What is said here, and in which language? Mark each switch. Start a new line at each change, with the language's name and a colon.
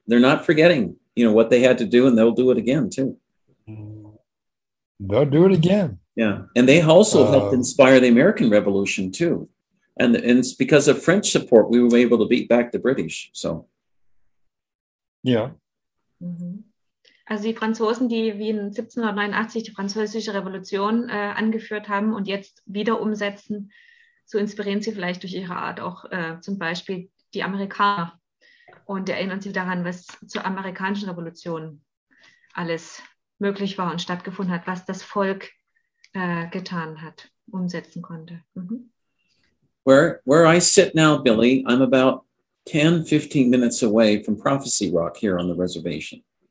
English: They're not forgetting, you know, what they had to do, and they'll do it again too. They'll do it again. Yeah. And they also helped inspire the American Revolution too. And it's because of French support we were able to beat back the British. So yeah. Mm-hmm.
German: Also die Franzosen, die wie in 1789 die französische Revolution angeführt haben und jetzt wieder umsetzen, so inspirieren sie vielleicht durch ihre Art auch zum Beispiel die Amerikaner und erinnern sie daran, was zur amerikanischen Revolution alles möglich war und stattgefunden hat, was das Volk getan hat, umsetzen konnte.
English: Mhm. Where I sit now, Billy, I'm about 10, 15 minutes away from Prophecy Rock here on the reservation.